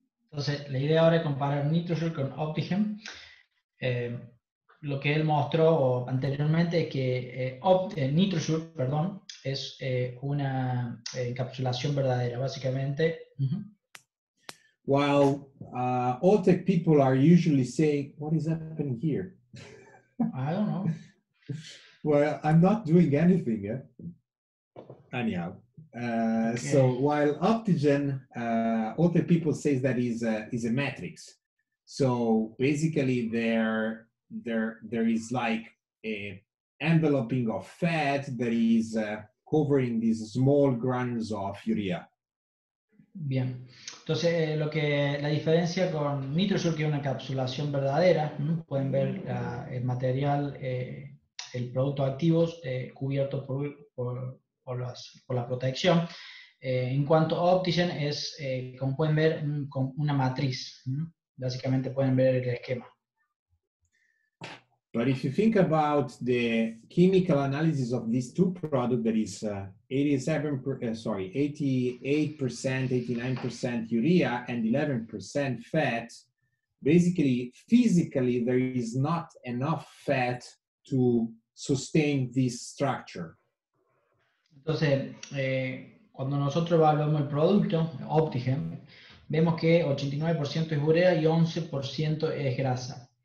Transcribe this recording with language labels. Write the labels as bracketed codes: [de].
[es] Entonces, la idea ahora es comparar nitrosur con Optigen. Lo que él mostró anteriormente es que nitrosur, perdón, es una encapsulación verdadera, básicamente. [en] While all tech people are usually saying, what is happening here? I don't know. Well, I'm not doing anything, yeah. Anyhow, So while Optigen, other people say that is a matrix. So basically there is like a enveloping of fat that is covering these small granules of urea. [es] Bien. Entonces, la diferencia con nitrosur, que es una encapsulación verdadera, pueden ver el material, el producto activo cubierto por la protección. En cuanto a Optigen, es, como pueden ver, con una matriz. Básicamente pueden ver el esquema. [en] But if you think about the chemical analysis of these two products, that is 88%, 89% urea and 11% fat, basically, physically, there is not enough fat to sustain this structure. [es] Entonces, cuando nosotros evaluamos el producto, Optigen, vemos que 89% es urea y 11% es grasa.